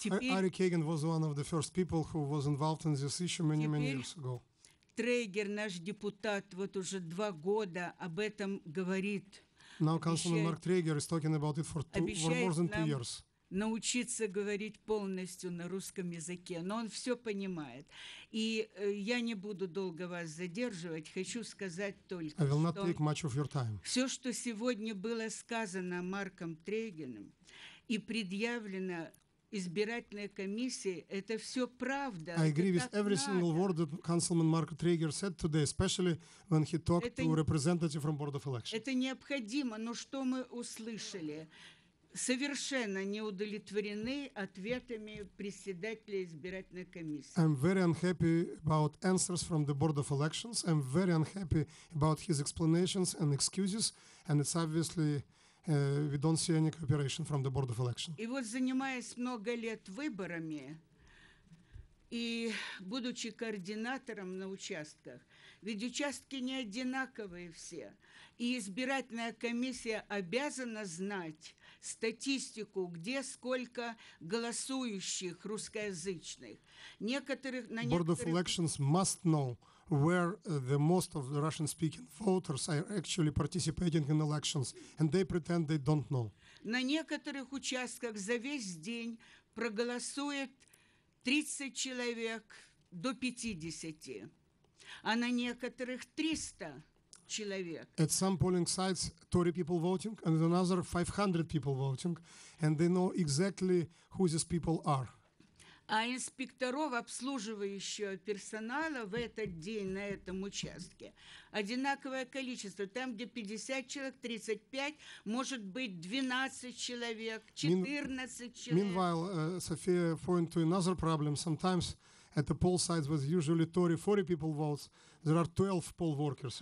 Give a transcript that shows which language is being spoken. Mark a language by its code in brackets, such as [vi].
[en] Ари Каган was one of the first people who was involved in this issue many years ago. [ru] Трейгер, наш депутат, вот уже два года об этом говорит. [en] Now Councilman Mark Traeger is talking about it for more than 2 years. [ru] Научиться говорить полностью на русском языке, но он все понимает. И я не буду долго вас задерживать, хочу сказать только, что все, что сегодня было сказано Марком Трейгеном и предъявлено избирательной комиссии, это все правда. [en] I agree with every single word that Councilman Mark Traeger said today, especially when he talked to a representative from Board of Elections. [ru] Это необходимо, но что мы услышали? Совершенно не удовлетворены ответами председателя избирательной комиссии. [en] I'm very unhappy about answers from the Board of Elections. I'm very unhappy about his explanations and excuses. And it's obviously We don't see any cooperation from the Board of Election. [ru] И вот занимаясь много лет выборами и будучи координатором на участках, ведь участки не одинаковые все, и избирательная комиссия обязана знать статистику, где сколько голосующих русскоязычных. Некоторых, на [en] Board of Elections must know where the most of the Russian-speaking voters are actually participating in elections, and they pretend they don't know. [ru] На некоторых участках за весь день проголосует 30 человек до 50, а на некоторых 300 человек. [en] At some polling sites, 30 people voting, and another 500 people voting, and they know exactly who these people are. [ru] А инспекторов, обслуживающего персонала в этот день на этом участке, одинаковое количество. Там, где 50 человек, 35, может быть 12 человек, 14 человек. [en] Meanwhile, Sofia pointed to another problem. Sometimes at the poll sites with usually 30-40 people votes, there are 12 poll workers.